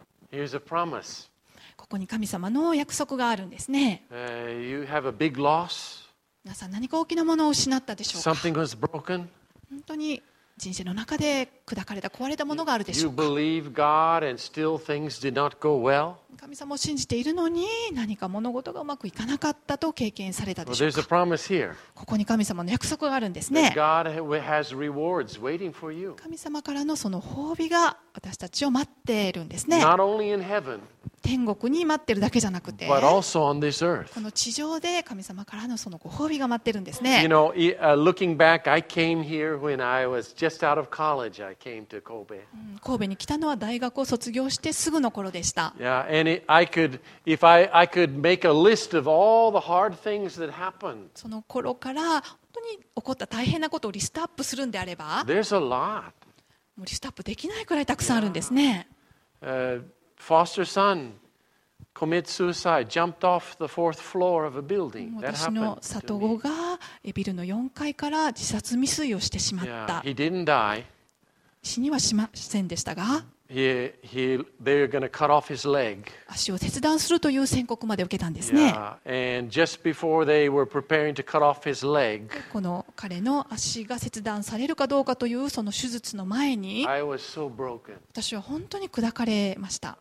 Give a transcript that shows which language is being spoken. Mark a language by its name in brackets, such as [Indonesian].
[English] Here's a promise. [Japanese] ここに神様の約束があるんですね。 [English] You have a big loss. [Japanese] 皆さん何か大きなものを失ったでしょうか。 [English] Something was broken. [Japanese] 本当に人生の中で砕かれた壊れたものがあるでしょうか。 [English] You believe God and still things did not go well. [Japanese] 神様を信じているのに何か物事がうまくいかなかったと経験されたでしょうか。 [English] There's a promise here. [Japanese] ここに神様の約束があるんですね。 [English] God has rewards waiting for you. [Japanese] 神様からのその褒美が私たちを待っているんですね。 [English] Not only in heaven, [Japanese] 天国に待ってるだけじゃなくて、 [English] but also on this earth. [Japanese] この地上で神様からのそのご褒美が待ってるんですね。 [English] You know, looking back, I came here when I was just out of college. I came to Kobe. [Japanese] 神戸に来たのは大学を卒業してすぐの頃でした。 [English] Yeah, and if I could make a list of all the hard things that happened. [Japanese] その頃から本当に起こった大変なことをリストアップするんであれば、 [English] there's a lot. [Japanese] もうリストアップできないくらいたくさんあるんですね。 [English] Foster son commits suicide, jumped off the fourth floor of a building. [Japanese] 私の里子がビルの4階から自殺未遂をしてしまった。 [English] He didn't die. [Japanese] 死にはしませんでしたが。 [English] They're going to cut off his leg. [Japanese] 足を切断するという宣告まで受けたんですね。 [English] Yeah. And just before they were preparing to cut off his leg, [Japanese] この彼の足が切断されるかどうかというその手術の前に、 [English] I was so broken. [Japanese] 私は本当に砕かれました。